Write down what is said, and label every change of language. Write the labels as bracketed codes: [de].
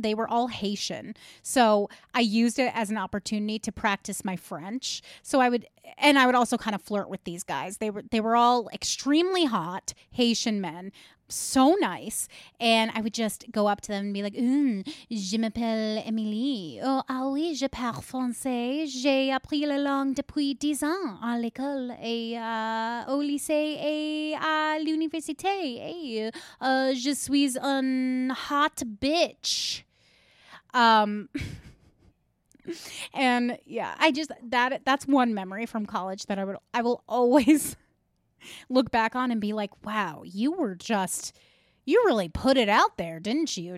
[en] They were all Haitian. So I used it as an opportunity to practice my French. So I would, and I would also kind of flirt with these guys. They were all extremely hot Haitian men. So nice. And I would just go up to them and be like, [fr] je m'appelle Emilie. Oh, ah oui, je parle français. J'ai appris la langue depuis 10 ans à l'école et au lycée et à l'université. Je suis un [en] hot bitch. And yeah, I just, that's one memory from college that I will always look back on and be like, wow, you really put it out there, didn't you?